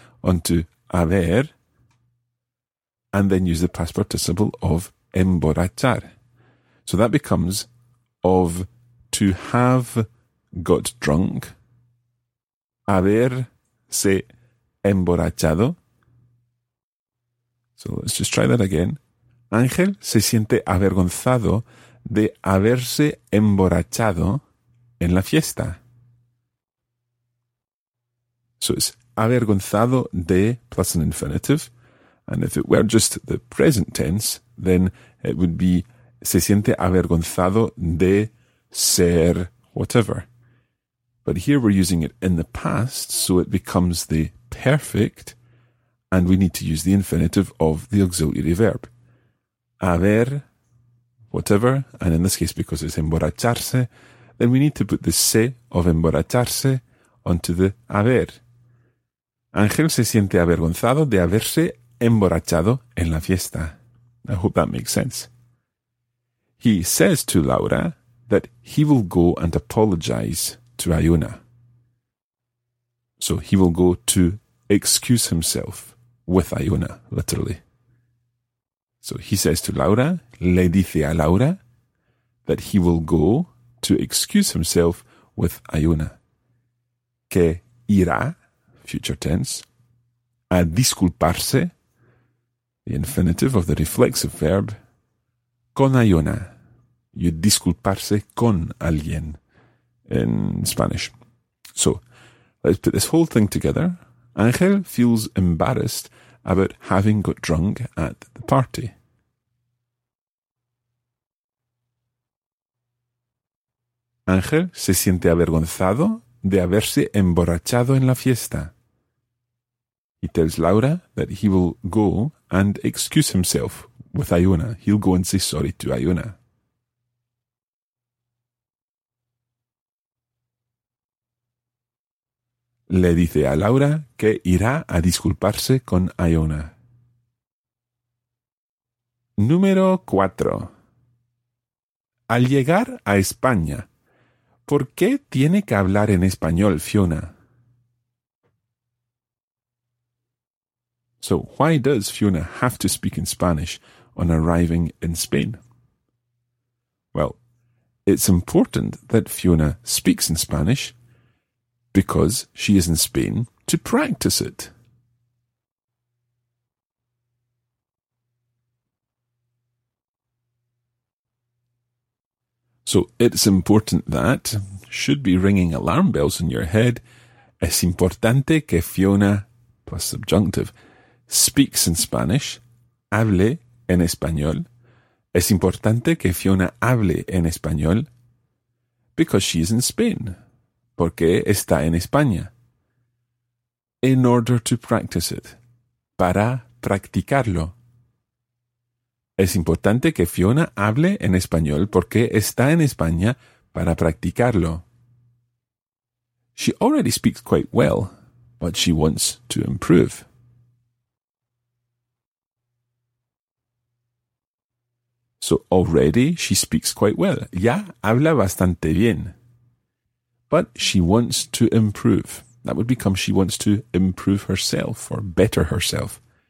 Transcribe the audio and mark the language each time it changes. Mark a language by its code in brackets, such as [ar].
[en] onto haber, and then use the past participle of emborrachar. So that becomes of to have got drunk, [es] haberse emborrachado. [en] So let's just try that again. [es] Ángel se siente avergonzado de haberse emborrachado en la fiesta. [en] So it's avergonzado de plus an infinitive. And if it were just the present tense, then it would be [es] se siente avergonzado de ser [en] whatever. But here we're using it in the past, so it becomes the perfect, and we need to use the infinitive of the auxiliary verb. Haber, whatever, and in this case because it's emborracharse, then we need to put the se of emborracharse onto the haber. [es] Ángel se siente avergonzado de haberse emborrachado en la fiesta. [en] I hope that makes sense. He says to Laura that he will go and apologize to Iona. So he will go to excuse himself with Iona, literally. So he says to Laura, [es] le dice a Laura, [en] that he will go to excuse himself with Iona. [es] Que irá, [en] future tense, [es] a disculparse, [en] the infinitive of the reflexive verb, [es] con Iona. [en] You [es] disculparse con alguien [en] in Spanish. So let's put this whole thing together. Ángel feels embarrassed about having got drunk at the party. [es] Ángel se siente avergonzado de haberse emborrachado en la fiesta. [en] He tells Laura that he will go and excuse himself with Iona. He'll go and say sorry to Iona. [es] Le dice a Laura que irá a disculparse con Iona. Número 4. Al llegar a España, ¿por qué tiene que hablar en español Fiona? [en] So, why does Fiona have to speak in Spanish on arriving in Spain? Well, it's important that Fiona speaks in Spanish because she is in Spain to practice it. So, it's important that should be ringing alarm bells in your head. [es] Es importante que Fiona, [en] plus subjunctive, speaks in Spanish, [es] hable en español. Es importante que Fiona hable en español [en] because she is in Spain. [es] Porque está en España. [en] In order to practice it. [es] Para practicarlo. Es importante que Fiona hable en español porque está en España para practicarlo. [en] She already speaks quite well, but she wants to improve. So already she speaks quite well. [es] Ya habla bastante bien. [en] But she wants to improve. That would become she wants to improve herself or better herself.